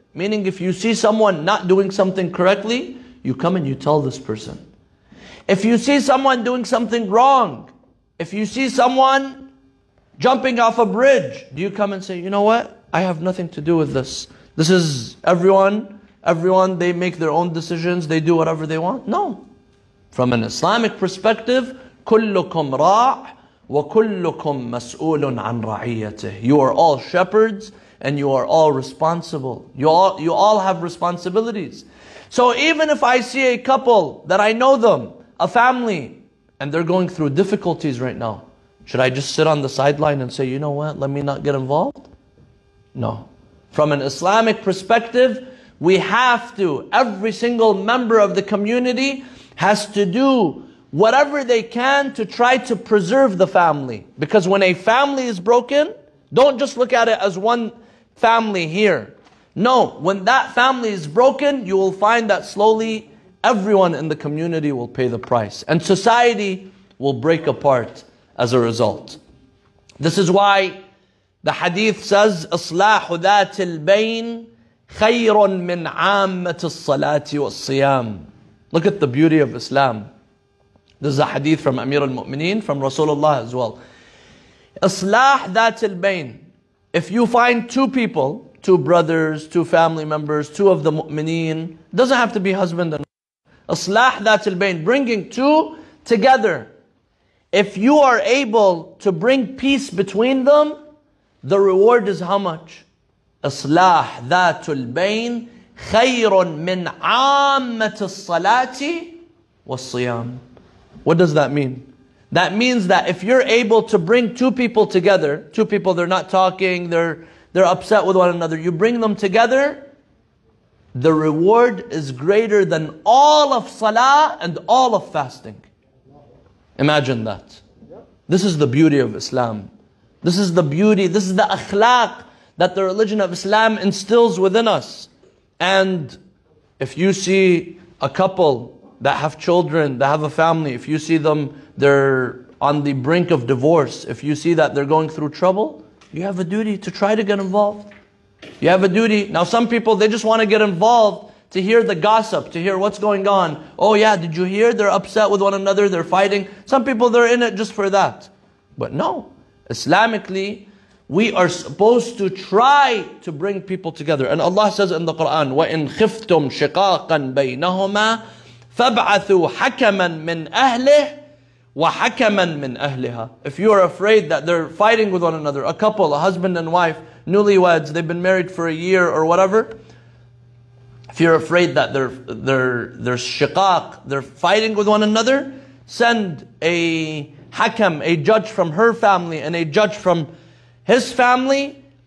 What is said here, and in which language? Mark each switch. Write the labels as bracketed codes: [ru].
[en] Meaning if you see someone not doing something correctly, you come and you tell this person. If you see someone doing something wrong, if you see someone jumping off a bridge, do you come and say, you know what? I have nothing to do with this. This is everyone, they make their own decisions, they do whatever they want. No. From an Islamic perspective, [ar] كلكم راع وكلكم مسؤول عن رعيته. [en] You are all shepherds and you are all responsible. You all have responsibilities. So even if I see a couple that I know them, a family, and they're going through difficulties right now, should I just sit on the sideline and say, you know what, let me not get involved? No. From an Islamic perspective, we have to, every single member of the community has to do whatever they can to try to preserve the family. Because when a family is broken, don't just look at it as one family here. No, when that family is broken, you will find that slowly everyone in the community will pay the price. And society will break apart as a result. This is why the hadith says, [ar] إصلاح ذات البين خير من عامة الصلاة والصيام. [en] Look at the beauty of Islam. This is a hadith from Amir al-Mu'mineen, from Rasulullah as well. [ar] إصلاح ذات البين. [en] If you find two people, two brothers, two family members, two of the mu'mineen, doesn't have to be husband and wife. [ar] إصلاح ذات البين, [en] bringing two together. If you are able to bring peace between them, the reward is how much? [ar] إصلاح ذات البين خير من عامة الصلاة والصيام. [en] What does that mean? That means that if you're able to bring two people together, two people, they're not talking, they're upset with one another, you bring them together, the reward is greater than all of salah and all of fasting. Imagine that. This is the beauty of Islam. This is the beauty, this is the akhlaq that the religion of Islam instills within us. And if you see a couple that have children, that have a family, if you see them, they're on the brink of divorce, if you see that they're going through trouble, you have a duty to try to get involved. You have a duty. Now some people, they just want to get involved to hear the gossip, to hear what's going on. Oh yeah, did you hear? They're upset with one another, they're fighting. Some people, they're in it just for that. But no, Islamically, we are supposed to try to bring people together. And Allah says in the Quran, [ar] وَإِنْ خِفْتُمْ شِقَاقًا بَيْنَهُمَا فَابْعَثُوا حَكَمًا مِّنْ أَهْلِهِ وَحَكَمًا مِّنْ أَهْلِهَا. [en] If you are afraid that they're fighting with one another, a couple, a husband and wife, newlyweds, they've been married for a year or whatever, if you're afraid that they're shiqaq, they're fighting with one another, send a hakam, a judge from her family and a judge from his family.